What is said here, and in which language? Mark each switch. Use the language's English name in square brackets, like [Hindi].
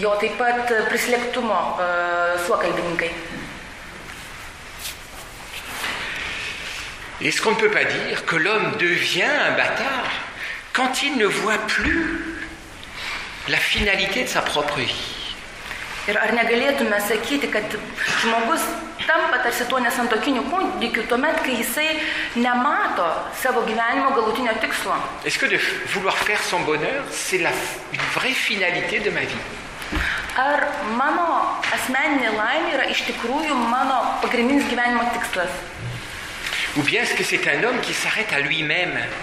[Lithuanian] Jo taip pat prislėgtumo suokalbininkai. [French] Est-ce qu'on ne peut pas dire que l'homme devient un bâtard quand il ne voit plus la finalité de sa propre vie? [Lithuanian] Ir ar negalėtume sakyti, kad žmogus tampa tarsi tuo nesantokiniu kūdikiu tuomet, kai jisai nemato savo gyvenimo galutinio tikslo? [French] Est-ce que de vouloir faire son bonheur, c'est la vraie finalité de ma vie? [Lithuanian] Ar mano asmeninė laimė yra iš tikrųjų mano pagrindinis gyvenimo tikslas? [French] Ou bien est-ce que c'est un homme qui s'arrête à lui-même?